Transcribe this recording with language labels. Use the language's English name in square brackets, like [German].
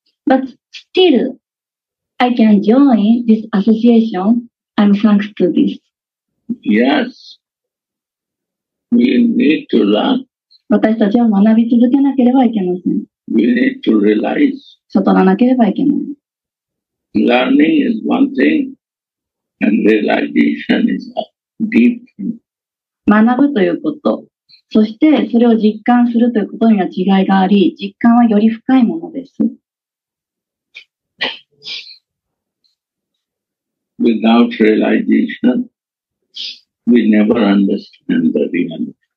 [English] But still, I can join this association. I'm thanks to this. Yes. We need to learn. [Japanese] 私たちは学び続けなければいけません。 [English] We need to realize. [Japanese] 悟らなければいけない。 [English] Learning is one thing, and realization is a deep thing. [Japanese] 学ぶということ。そしてそれを実感するということには違いがあり、実感はより深いものです。 [English] without realization, we never understand the reality.